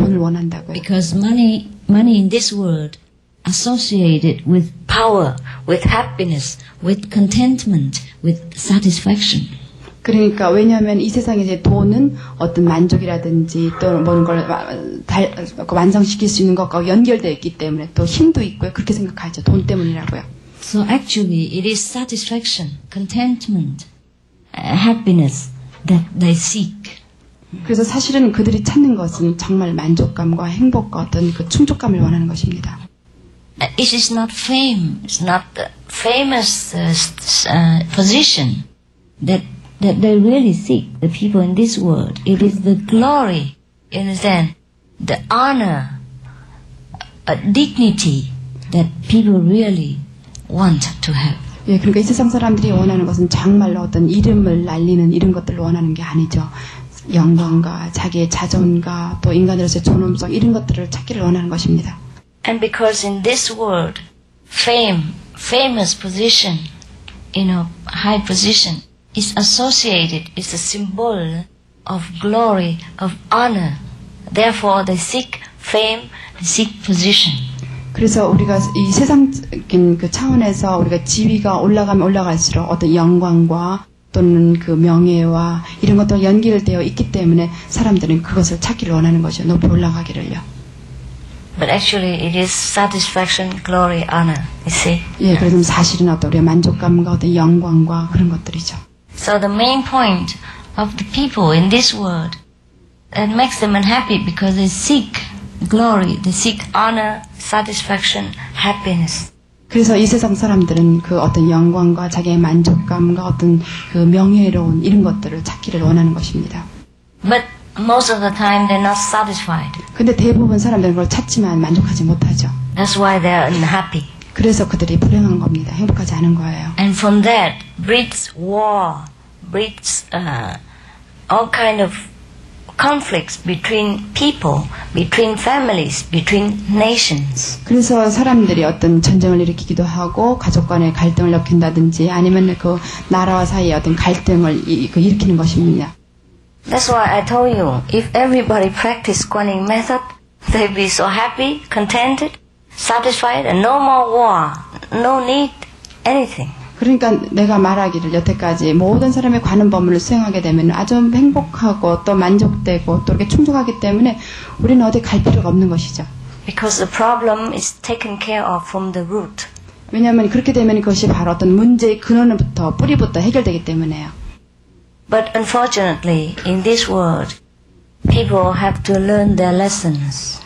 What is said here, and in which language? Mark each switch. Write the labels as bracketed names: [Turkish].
[Korean] 돈을 원한다고요. [English] Because money in this world associated with power, with happiness, with contentment, with satisfaction. [Korean] 그러니까 왜냐하면 이 세상에 돈은 어떤 만족이라든지 또 뭔 걸 완성시킬 수 있는 것과 연결되어 있기 때문에 또 힘도 있고요. 그렇게 생각하죠. 돈 때문이라고요. [English] So actually it is satisfaction, contentment, happiness that they seek. [Korean] 그래서 사실은 그들이 찾는 것은 정말 만족감과 행복과 어떤 그 충족감을 원하는 것입니다. [English] It is not fame, it's not the famous position that they really seek, the people in this world. It is the glory, you understand? The honor, a dignity that people really want to have. [Korean] 예, 그러니까 이 세상 사람들이 원하는 것은 정말로 어떤 이름을 날리는 이런 것들을 원하는 게 아니죠. 영광과 자기의 자존과 또 인간으로서의 존엄성 이런 것들을 찾기를 원하는 것입니다. [English] And because in this world, famous position, you know, high position, is associated, is a symbol of glory, of honor. Therefore, they seek fame, they seek position. [Korean] 그래서 우리가 이 세상적인 그 차원에서 우리가 지위가 올라가면 올라갈수록 어떤 영광과 또는 그 명예와 이런 것도 연결되어 있기 때문에 사람들은 그것을 찾기를 원하는 것이죠. 높이 올라가기를요. [English] But actually, it is satisfaction, glory, honor. You see? [Korean] 예, 그래서 사실은 어떤 우리의 만족감과 어떤 영광과 그런 것들이죠. [English] So the main point of the people in this world that makes them unhappy because they seek glory, they seek honor, satisfaction, happiness. [Korean] 그래서 이 세상 사람들은 그 어떤 영광과 자기의 만족감과 어떤 그 명예로운 이런 것들을 찾기를 원하는 것입니다. [English] But most of the time they're not satisfied. [Korean] 근데 대부분 사람들은 그걸 찾지만 만족하지 못하죠. [English] That's why they're unhappy. [Korean] 그래서 그들이 불행한 겁니다. 행복하지 않은 거예요. [English] And from that breeds war, breeds all kind of conflicts between people, between families, between nations. [Korean] 그래서 사람들이 어떤 전쟁을 일으키기도 하고 가족 간의 갈등을 일으킨다든지 아니면 그 나라와 사이의 어떤 갈등을 일으키는 것입니다. [English] That's why I told you, if everybody practice Kuan Yin method, they'd be so happy, contented. Satisfied and no more war, no need anything. [Korean] 그러니까 내가 말하기를 여태까지 모든 사람의 관음법문을 수행하게 되면 아주 행복하고 또 만족되고 또 이렇게 충족하기 때문에 우리는 어디 갈 필요가 없는 것이죠. [English] Because the problem is taken care of from the root. [Korean] 왜냐하면 그렇게 되면 그것이 바로 어떤 문제의 근원부터 뿌리부터 해결되기 때문에요. [English] But unfortunately, in this world, people have to learn their lessons.